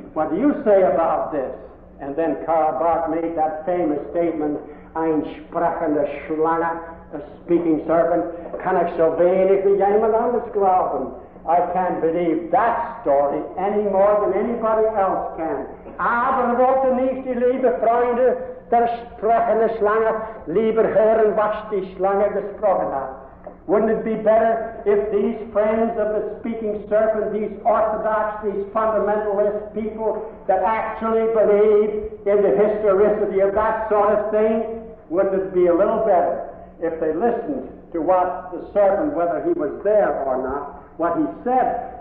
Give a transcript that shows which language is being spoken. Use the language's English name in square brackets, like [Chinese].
[English] What do you say about this? And then Karl Barth made that famous statement, [German] Ein sprechende Schlange, [English] a speaking serpent, [German] kann ich so wenig wie jemand anders glauben. [English] I can't believe that story any more than anybody else can. [German] Aber wollte nicht die liebe Freunde der sprechende Schlange lieber hören, was die Schlange gesprochen hat. [English] Wouldn't it be better if these friends of the speaking serpent, these orthodox, these fundamentalist people that actually believe in the historicity of that sort of thing, wouldn't it be a little better if they listened to what the serpent, whether he was there or not, what he said?